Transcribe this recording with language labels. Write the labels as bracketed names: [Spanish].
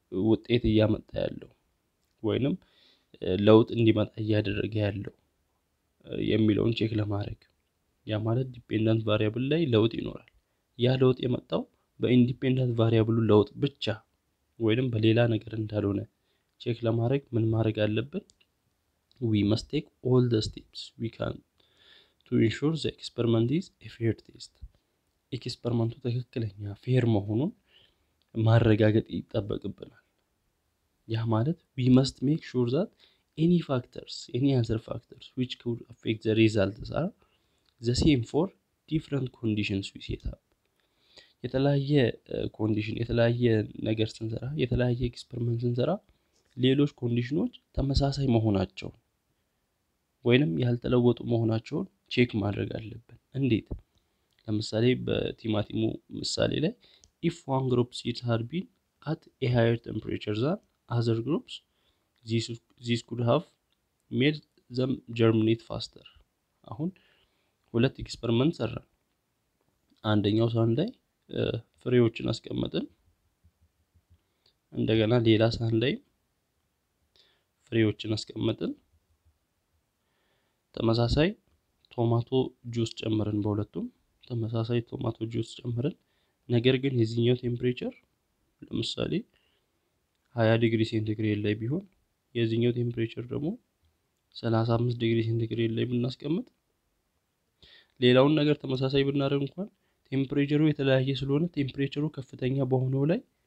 [Amharic] ውጤት እያመጣ ያለው ወይንም ለውጥ እንዲመጣ እያደረገ ያለው የሚለውን ቼክ ለማድረግ። ያ ማለት ኢንዲፔንደንት ቫሪያብል ላይ ለውጥ ይኖራል። ያ ለውጥ የመጣው በኢንዲፔንደንት ቫሪያብሉ ለውጥ ብቻ ወይንም በሌላ ነገር እንዳልሆነ ቼክ ለማድረግ ምን ማድረግ አለብን? [English] ዊ መስት ቴክ ኦል ዘ ስቴፕስ ዊ ካን to ensure the experiment is a fair test. [Amharic] ኤክስፐሪመንቱ ትክክለኛ ፌር መሆኑን ማረጋገጥ ይጠበቅብናል። ያ ማለት [English] we must make sure that any factors, any other factors which could affect the results are the same for different conditions we set up. [Amharic] የተለያየ ኮንዲሽን የተለያየ ነገር ስንሰራ የተለያየ ኤክስፐሪመንት ስንሰራ ሌሎች ኮንዲሽኖች ተመሳሳይ መሆናቸውን ወይንም ያልተለወጡ መሆናቸውን ቼክ ማድረግ አለብን። እንዴት? ለምሳሌ በቲማቲሙ ምሳሌ ላይ [English] if one group seeds had been at a higher temperature than other groups these could have made them germinate faster. [Amharic] አሁን ሁለት ኤክስፐሪመንት ሰራን። አንደኛው ሳህን ላይ ፍሬዎችን አስቀመጥን፣ እንደገና ሌላ ሳህን ላይ ፍሬዎችን አስቀመጥን፣ ተመሳሳይ ቶማቶ ጁስ ጨምረን በሁለቱም ተመሳሳይ ቶማቶ ጁስ ጨምረን፣ ነገር ግን የዚህኛው ቴምፕሬቸር ለምሳሌ 20 ዲግሪ ሴንቲግሬድ ላይ ቢሆን የዚህኛው ቴምፕሬቸር ደግሞ 35 ዲግሪ ሴንቲግሬድ ላይ ብናስቀምጥ፣ ሌላውን ነገር ተመሳሳይ ብናደርግ እንኳን ቴምፕሬቸሩ የተለያየ ስለሆነ ቴምፕሬቸሩ ከፍተኛ በሆነው ላይ